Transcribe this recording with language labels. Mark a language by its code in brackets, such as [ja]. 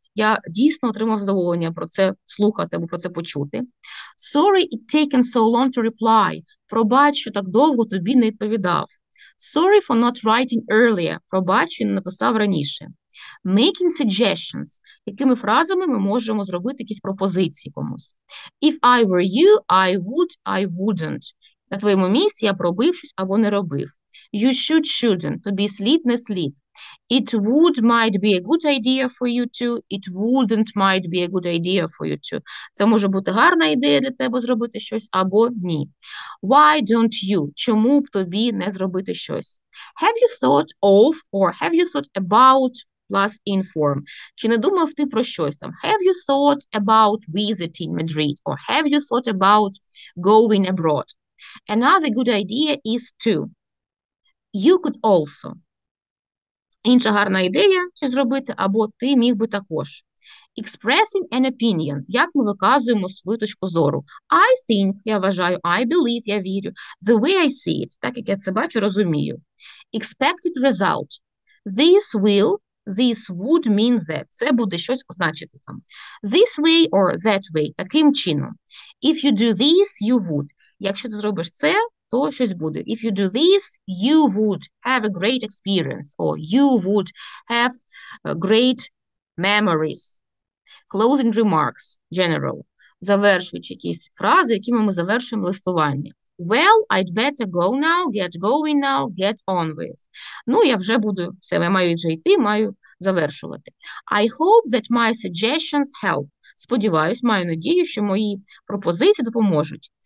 [uk] Я дійсно отримав задоволення про це слухати або про це почути. [en] Sorry it taken so long to reply. [uk] Пробач, що так довго тобі не відповідав. [en] Sorry for not writing earlier. [uk] Пробач, що не написав раніше. [en] Making suggestions. [uk] Якими фразами ми можемо зробити якісь пропозиції комусь? [en] If I were you, I would, I wouldn't. [uk] На твоєму місці я б робив щось або не робив. [en] You should, shouldn't. [uk] Тобі слід, не слід. [en] It would, might be a good idea for you to. It wouldn't, might be a good idea for you to. [uk] Це може бути гарна ідея для тебе зробити щось або ні. [en] Why don't you? [uk] Чому б тобі не зробити щось? [en] Have you thought of or have you thought about plus inform? [uk] Чи не думав ти про щось там? [en] Have you thought about visiting Madrid? Or have you thought about going abroad? Another good idea is to. You could also. [uk] Інша гарна ідея, що зробити, або ти міг би також. [en] Expressing an opinion. [uk] Як ми виказуємо свою точку зору? [en] I think, [uk] я вважаю, [en] I believe, [uk] я вірю. [en] The way I see it, [uk] так як я це бачу, розумію. [en] Expected result. This will, this would mean that. [uk] Це буде щось означати там. [en] This way or that way, [uk] таким чином. [en] If you do this, you would. [uk] Якщо ти зробиш це, то щось буде. [en] If you do this, you would have a great experience or you would have great memories. Closing remarks, general. [uk] завершуючи якісь фрази, якими ми завершуємо листування. [en] Well, I'd better go now, get going now, get on with. [uk] Ну, я вже буду, все, я маю вже йти, маю завершувати. [en] I hope that my suggestions help. [uk] Сподіваюсь, маю надію, що мої пропозиції допоможуть.